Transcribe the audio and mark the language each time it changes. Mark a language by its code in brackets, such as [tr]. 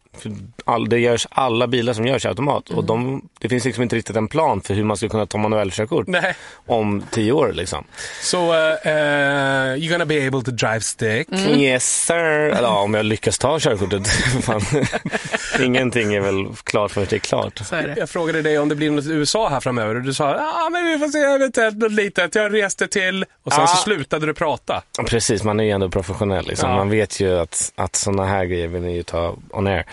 [sv] För det görs, alla bilar som görs automat, och det finns liksom inte riktigt en plan för hur man ska kunna ta manuell körkort om 10 år liksom. [en] Så you're gonna be able to drive stick? [sv] Yes sir, eller om jag lyckas ta körkortet. Ingenting är väl klart för att det är klart. Så är det. Jag frågade dig om det blir något USA här framöver, och du sa, men vi får se eventuellt något litet. Jag reste till, och sen så slutade du prata. Precis, man är ju ändå professionell liksom. Man vet ju att såna här grejer vill ni ju ta on air.